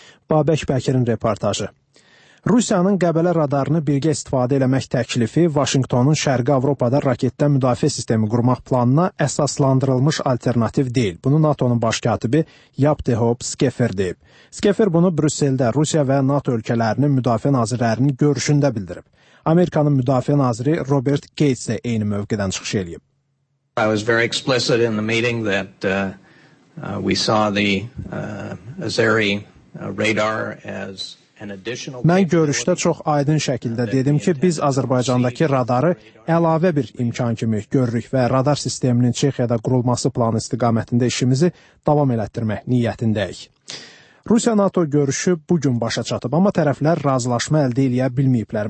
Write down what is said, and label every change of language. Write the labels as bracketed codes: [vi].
[az] Babək Bəkirin reportajı. Rusiyanın Qəbələ radarını birgə istifadə eləmək təklifi Vaşinqtonun Şərqi Avropada raketdən müdafiə sistemi qurmaq planına əsaslandırılmış alternativ deyil. Bunu NATO-nun baş katibi Jaap de Hoop Scheffer deyib. Scheffer bunu Brüsseldə Rusiya və NATO ölkələrinin müdafiə nazirlərinin görüşündə bildirib. Amerikanın müdafiə naziri Robert Gates də eyni mövqədən çıxış eləyib. [en] I was very explicit in the meeting that we saw the Azeri radar as [az] Mən görüşdə çox aydın şəkildə dedim ki, biz Azərbaycandakı radarı əlavə bir imkan kimi görürük və radar sisteminin Çexiyada qurulması planı istiqamətində işimizi davam elətdirmək niyyətindəyik. Rusiya-NATO görüşü bugün başa çatıb, amma tərəflər razılaşma əldə eləyə bilməyiblər.